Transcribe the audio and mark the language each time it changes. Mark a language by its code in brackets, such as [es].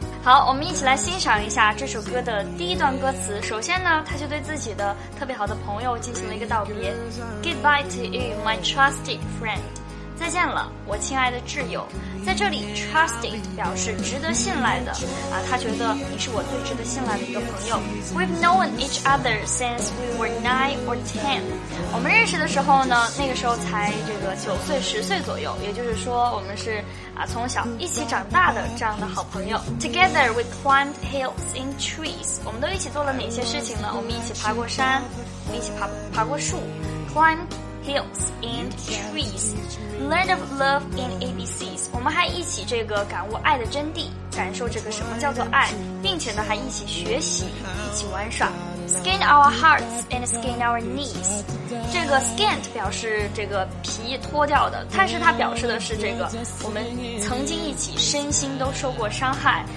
[zh] 好，我们一起来欣赏一下这首歌的第一段歌词。首先呢，他就对自己的特别好的朋友进行了一个道别 ， [en] Goodbye to you, my trusted friend， [zh] 再见了，我亲爱的挚友。在这里 ，trusted 表示值得信赖的啊，他觉得你是我最值得信赖的一个朋友。 [en] We've known each other since we were 9 or 10。 [zh] 我们认识的时候呢，那个时候才这个9岁10岁左右，也就是说我们是从小一起长大的这样的好朋友。 [en] Together we climbed hills in trees。 [zh] 我们都一起做了哪些事情呢？我们一起爬过山，我们一起爬过树 ，climb。 [en] Hills and trees, learn of love and ABCs. [zh] 我们还一起这个感悟爱的真谛，感受这个什么叫做爱，并且呢还一起学习，一起玩耍。 [en] Scan our hearts and scan our knees. [zh] 这个 scan 表示这个皮脱掉的，但是它表示的是这个我们曾经一起身心都受过伤害。